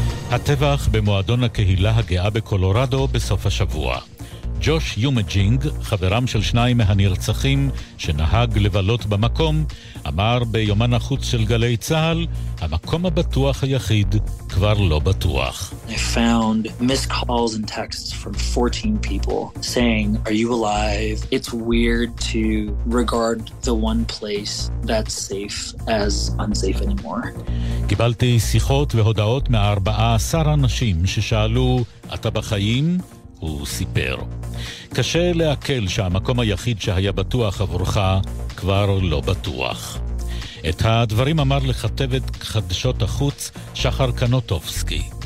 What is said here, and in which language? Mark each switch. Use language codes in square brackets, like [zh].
[he] הטבח במועדון הקהילה הגאה בקולורדו בסוף השבוע. ג'וש יומג'ינג, חברם של שניים מהנרצחים שנהג לבלות במקום, אמר ביומן החוץ של גלי צהל, המקום הבטוח היחיד כבר לא בטוח. [en] I found missed calls and texts from 14 people saying, "Are you alive?" It's weird to regard the one place that's safe as unsafe anymore. [he] קיבלתי שיחות והודעות מ-14 אנשים ששאלו, "אתה בחיים?" הוא סיפר. קשה להקל שהמקום היחיד שהיה בטוח עבורך כבר לא בטוח. את הדברים אמר לכתבת חדשות החוץ שחר קנוטובסקי.